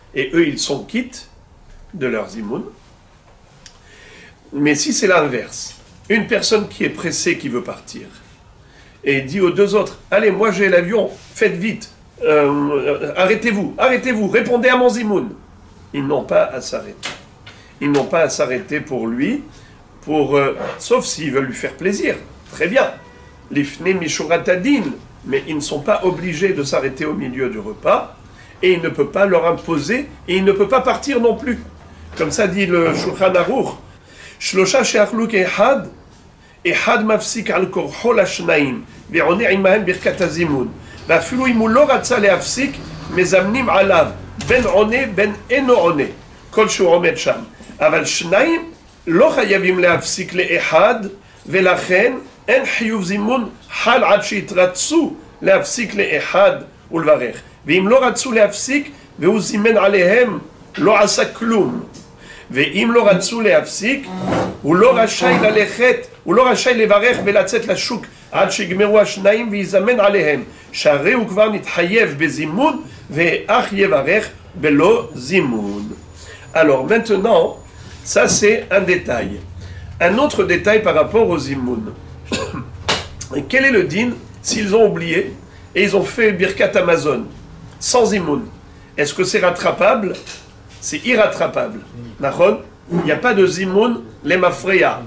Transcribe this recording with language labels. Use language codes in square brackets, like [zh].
[fr] Et eux, ils sont quittes de leur zimoun. Mais si c'est l'inverse, une personne qui est pressée, qui veut partir, et dit aux deux autres, « Allez, moi j'ai l'avion, faites vite, arrêtez-vous, répondez à mon zimoun. » Ils n'ont pas à s'arrêter. Ils n'ont pas à s'arrêter pour lui, sauf s'ils veulent lui faire plaisir. Très bien. « [he] Lifne mishurat adin [fr] » mais ils ne sont pas obligés de s'arrêter au milieu du repas, et il ne peut pas leur imposer, et il ne peut pas partir non plus. Comme ça dit le Shulchan Aruch, [he] שלושה שאכלו כאחד, אחד מפסיק על כורחו לשניים, ועונה עמהם ברכת הזימון. ואפילו אם הוא לא רצה להפסיק, מזמנים עליו, בין עונה, בין אינו עונה, כלשהו עומד שם. אבל שניים לא חייבים להפסיק לאחד, ולכן אין חיוב זימון חל עד שהתרצו להפסיק לאחד ולברך. ואם לא רצו להפסיק, והוא זימן עליהם, לא עשה כלום. ואם לא רצו להפסיק, הוא לא רשאי ללכת, הוא לא רשאי לברך ולצאת לשוק עד שיגמרו השניים ויזמן עליהם, שהרי הוא כבר נתחייב בזימון ואך יברך בלא זימון. [fr] Alors maintenant, ça c'est un détail. Un autre détail par rapport au zimoun. Quel est le din s'ils ont oublié et ils ont fait Birkat Amazon sans zimoun? Est-ce que c'est rattrapable? C'est irrattrapable. Nahon, il n'y a pas de zimoun lemafreya.